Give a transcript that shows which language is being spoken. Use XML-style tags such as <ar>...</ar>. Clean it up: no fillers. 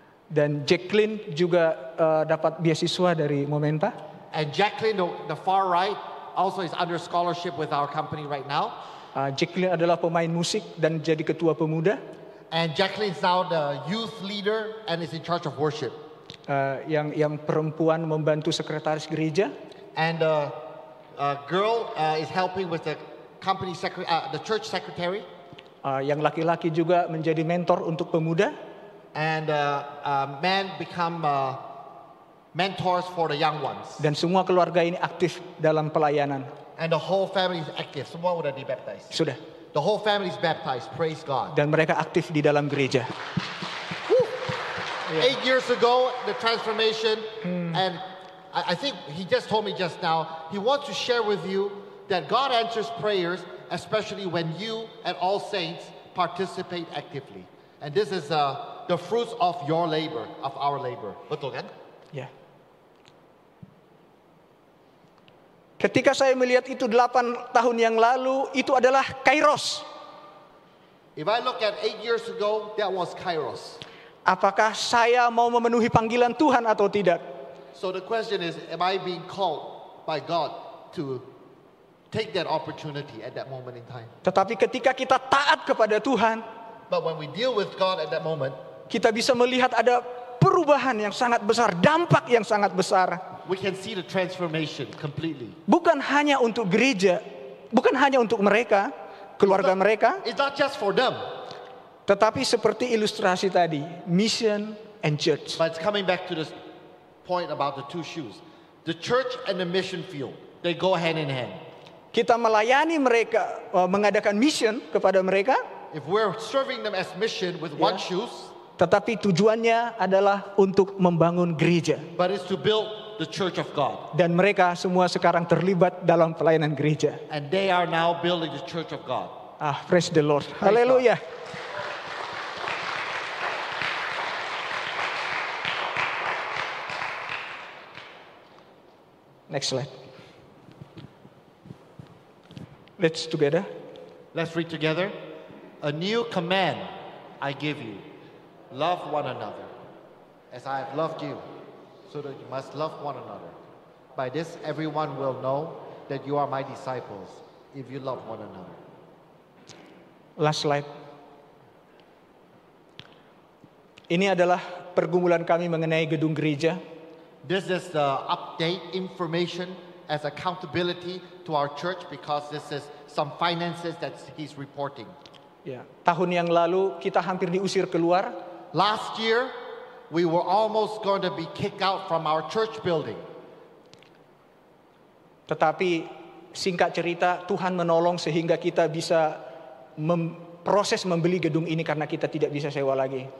<id>Dan Jacqueline juga dapat beasiswa dari Momenta.</id> <en>And Jacqueline, the far right, also is under scholarship with our company right now.</en> <id>Jacqueline adalah pemain musik dan jadi ketua pemuda.</id> <en>And Jacqueline is now the youth leader and is in charge of worship.</en> <id>Yang perempuan membantu sekretaris gereja.</id> <en>And a girl is helping with the company the church secretary.</en> <id>Yang laki-laki juga menjadi mentor untuk pemuda.</id> <en>And men become mentors for the young ones.</en> <id>Dan semua keluarga ini aktif dalam pelayanan.</id> <en>And the whole family is active.</en> <id>Semua sudah dibaptized. Sudah.</id> <en>The whole family is baptized. Praise God.</en> <id>Dan mereka aktif di dalam gereja.</id> <en>Yeah. 8 years ago, the transformation. And I think he just told me just now, he wants to share with you that God answers prayers, especially when you and all saints participate actively. And this is the fruits of your labor, of our labor.</en> <id>Betul kan?</id> <en>Yeah.</en> <id>Ketika saya melihat itu 8 tahun yang lalu, itu adalah Kairos.</id> <en>If I look at 8 years ago, that was Kairos.</en> <id>Apakah saya mau memenuhi panggilan Tuhan atau tidak?</id> <en>So the question is, am I being called by God to take that opportunity at that moment in time?</en> <id>Tetapi ketika kita taat kepada Tuhan,</id> <en>but when we deal with God at that moment,</en> <id>kita bisa melihat ada perubahan yang sangat besar, dampak yang sangat besar.</id> <en>We can see the transformation completely.</en> <id>Bukan hanya untuk gereja, bukan hanya untuk mereka, keluarga mereka.</id> <en>It's not just for them.</en> <id>Tetapi seperti ilustrasi tadi,</id> <en>mission and church. But it's coming back to this point about the two shoes. The church and the mission field, they go hand in hand.</en> <id>Kita melayani mereka, mengadakan mission kepada mereka.</id> <en>If we're serving them as mission with one shoes,</en> <id>tetapi tujuannya adalah untuk membangun gereja.</id> <en>But it's to build the church of God.</en> <id>Dan mereka semua sekarang terlibat dalam pelayanan gereja.</id> <en>And they are now building the church of God. Ah, praise the Lord. Hallelujah. Next slide. Let's together. Let's read together. A new command I give you. Love one another as I have loved you, so that you must love one another. By this everyone will know that you are my disciples, if you love one another. Last slide.</en> <id>Ini adalah pergumulan kami mengenai gedung gereja.</id> <en>This is the update information as accountability to our church, because this is some finances that he's reporting. Yeah.</en> <id>Tahun yang lalu kita hampir diusir keluar.</id> <en>Last year, we were almost going to be kicked out from our church building.</en> <id>Tetapi singkat cerita, Tuhan menolong sehingga kita bisa memproses membeli gedung ini karena kita tidak bisa sewa lagi.</id>